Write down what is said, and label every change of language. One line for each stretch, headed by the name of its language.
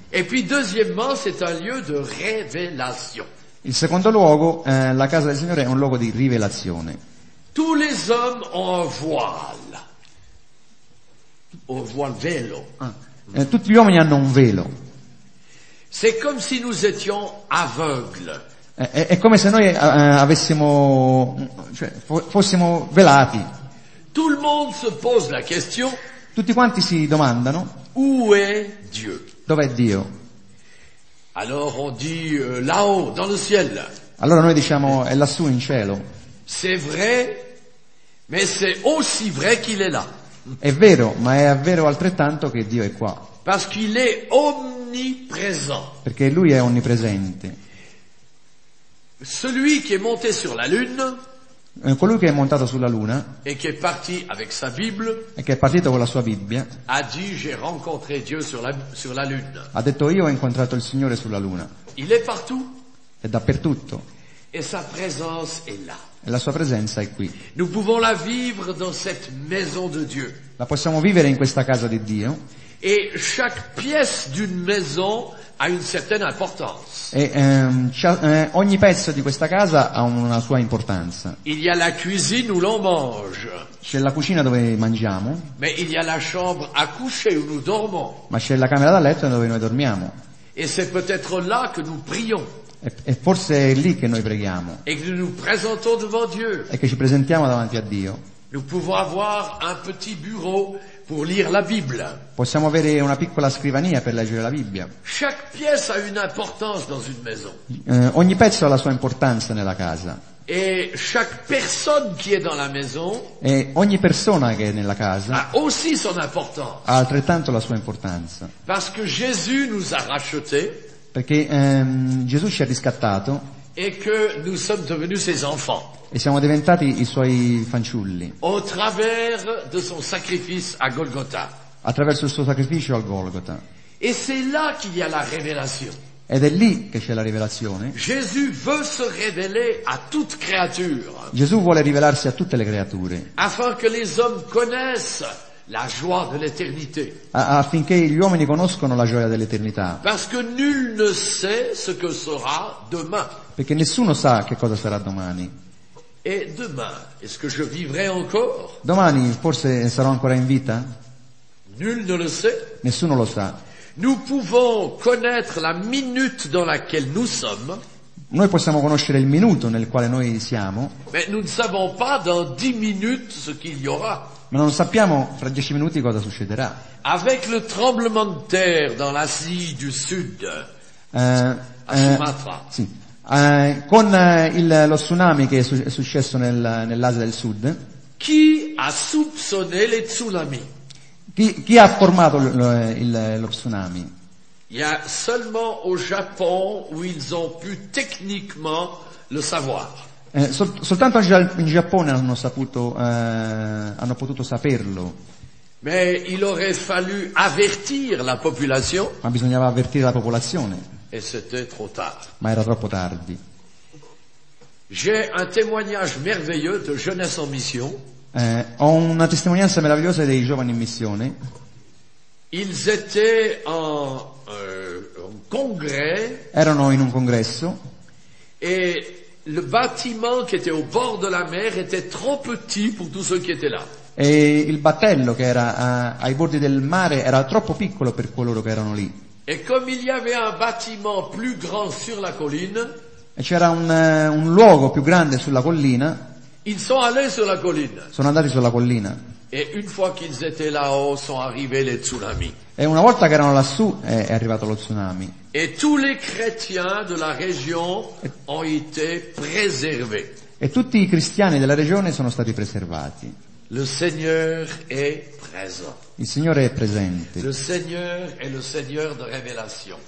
French: Et puis deuxièmement, c'est un lieu de révélation.
Italian: Il secondo luogo, la casa del Signore è un luogo di rivelazione.
French: Tous les hommes ont un voile. Un voile velo.
Italian: Tutti gli uomini hanno un velo.
French: C'est comme si nous étions aveugles.
Italian: È come se noi avessimo, cioè, fossimo velati.
French: Tout le monde se pose la question.
Italian: Tutti quanti si domandano.
French: Où est Dieu?
Italian: Dov'è Dio?
French: Alors on dit là-haut, dans le ciel.
Italian: Allora noi diciamo è lassù in cielo.
French: C'est vrai, mais c'est aussi vrai qu'il est là.
Italian: È vero, ma è vero altrettanto che Dio è qua.
French: Parce qu'il est omniprésent.
Italian: Perché lui è onnipresente.
French: Celui qui est monté sur la lune.
Italian: Colui che è montato sulla luna. E che è
French: parti avec sa Bible.
Italian: E che è partito con la sua Bibbia.
French: A dit j'ai rencontré Dieu sur la lune.
Italian: Ha detto io ho incontrato il Signore sulla luna.
French: Il est partout.
Italian: È dappertutto.
French: Et sa présence est là.
Italian: E la sua presenza è qui.
French: Nous pouvons la vivre dans cette maison de Dieu.
Italian: La possiamo vivere in questa casa di Dio.
French: Et chaque pièce d'une maison a une certaine importance.
Italian: Ogni pezzo di questa casa ha una sua importanza.
French: Il y a la cuisine où l'on mange.
Italian: C'è la cucina dove mangiamo.
French: Mais il y a la chambre à coucher où nous dormons.
Italian: Ma c'è la camera da letto dove noi dormiamo.
French: Et c'est peut-être là que nous prions.
Italian: E forse è lì che noi preghiamo.
French: Et que nous présentons devant Dieu.
Italian: E che ci presentiamo davanti a Dio.
French: Nous pouvons avoir un petit bureau pour lire la Bible.
Italian: Possiamo avere una piccola scrivania per leggere la Bibbia.
French: Chaque pièce a une importance dans une maison.
Italian: Ogni pezzo ha la sua importanza nella casa.
French: Et chaque personne qui est dans la maison.
Italian: E ogni persona che è nella casa.
French: A aussi son importance.
Italian: Ha altrettanto la sua importanza.
French: Parce que Jésus nous a rachetés.
Italian: Perché Gesù ci ha riscattato.
French: Et que nous sommes devenus ses enfants.
Italian: E siamo diventati i suoi fanciulli.
French: Au travers de son sacrifice à Golgotha.
Italian: Attraverso il suo sacrificio al Golgotha.
French: Et c'est là qu'il y a la révélation.
Italian: Ed è lì che c'è la rivelazione.
French: Jésus veut se révéler à toute créature.
Italian: Gesù vuole rivelarsi a tutte le creature.
French: Afin que les hommes connaissent la joie de l'éternité.
Italian: Affinché gli uomini conoscano la gioia dell'eternità.
French: Parce que nul ne sait ce que sera demain.
Italian: Perché nessuno sa che cosa sarà domani.
French: Et demain, est-ce que je vivrai encore?
Italian: Domani forse sarò ancora in vita?
French: Nul ne le sait.
Italian: Nessuno lo sa.
French: Nous pouvons connaître la minute dans laquelle nous sommes.
Italian: Noi possiamo conoscere il minuto nel quale noi siamo.
French: Mais nous ne savons pas dans 10 minutes ce qu'il y aura.
Italian: Ma non sappiamo fra 10 minuti cosa succederà.
French: Avec le tremblement de terre dans l'Asie du Sud, à Sumatra.
Italian: Sì. Con lo tsunami che è successo nell'Asia del Sud. Chi ha
French: soupçonné le tsunami?
Italian: Chi ha formato lo tsunami?
French: Il y a seulement au Japon où ils ont pu techniquement le savoir.
Italian: Soltanto in Giappone hanno potuto saperlo.
French: Mais il aurait fallu avvertir la population.
Italian: Ma bisognava avvertire la popolazione.
French: Et c'était trop tard.
Italian: Ma era troppo tardi.
French: J'ai un témoignage merveilleux de jeunesse en mission.
Italian: Ho una testimonianza meravigliosa dei giovani in missione.
French: Ils étaient en un congrès.
Italian: Erano in un congresso.
French: Et le bâtiment qui était au bord de la mer était trop petit pour tous ceux qui étaient là.
Italian: E il battello che era ai bordi del mare era troppo piccolo per coloro che erano lì.
French: Et comme il y avait un bâtiment plus grand sur la colline,
Italian: e c'era un luogo più grande sulla collina,
French: ils sont allés sur la colline.
Italian: Sono andati sulla collina.
French: Et une fois qu'ils étaient là-haut, sont arrivés les tsunamis.
Italian: E una volta che erano lassù è arrivato lo tsunami.
French: Et tous les chrétiens de la région ont été préservés.
Italian: E tutti i cristiani della regione sono stati preservati.
French: Le Seigneur est présent.
Italian: Il Signore è presente.
French: Le Seigneur est le Seigneur de révélation.